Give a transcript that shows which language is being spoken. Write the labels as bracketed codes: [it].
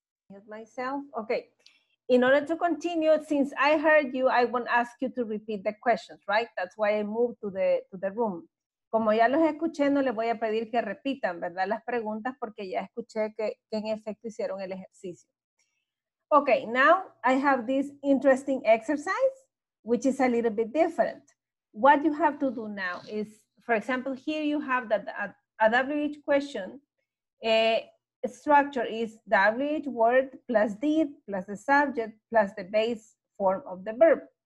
[en] Mute myself. Okay. In order to continue, since I heard you, I won't ask you to repeat the questions, right? That's why I moved to the room. [es] Como ya los escuché, no les voy a pedir que repitan, ¿verdad? Las preguntas, porque ya escuché que en efecto hicieron el ejercicio. [en] Okay, now I have this interesting exercise, which is a little bit different. What you have to do now is, for example, here you have that a WH question. A structure is WH word plus did plus the subject plus the base form of the verb.